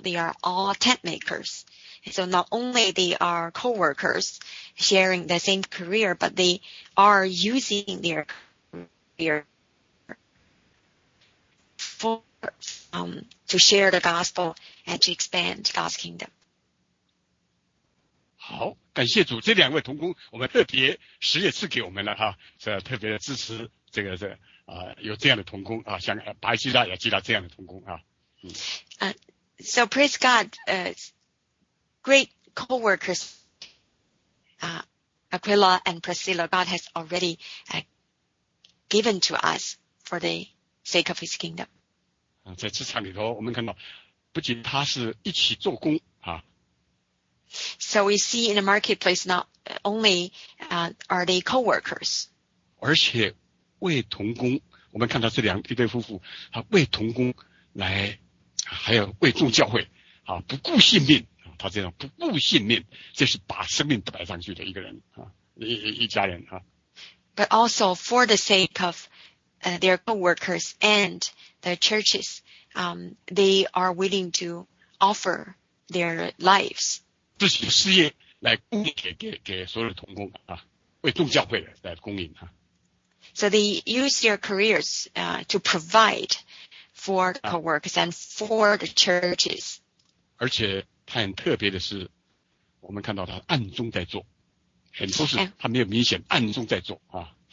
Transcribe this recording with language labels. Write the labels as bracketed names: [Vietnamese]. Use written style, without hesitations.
[English] They are all tent makers. So not only they are co-workers sharing the same career, but they are using their career to share the gospel and to expand God's kingdom. [Chinese] 好，感谢主，这两位同工，我们特别十月赐给我们了哈，是特别的支持这个这啊、有这样的同工啊，像巴西拉、亚基拉这样的同工啊。 [English] So praise God, great co-workers, Aquila and Priscilla, God has already given to us for the sake of His kingdom. [Chinese] 在职场里头，我们看到不仅他是一起做工啊。 [English] So we see in the marketplace not only are they co-workers, [Chinese] 而且为同工，我们看到这两一对夫妇，他为同工来，还有为众教会啊，不顾性命。他这样不顾性命，这是把生命摆上去的一个人啊，一家人啊。 [English] But also for the sake of their co-workers and the churches, they are willing to offer their lives. [Chinese] 自己的事业来供应给所有的同工啊，为众教会来供应啊。 [English] So they use their careers to provide for the co-workers and for the churches. [Chinese] 而且他很特别的是，我们看到他暗中在做，很多事他没有明显，暗中在做啊。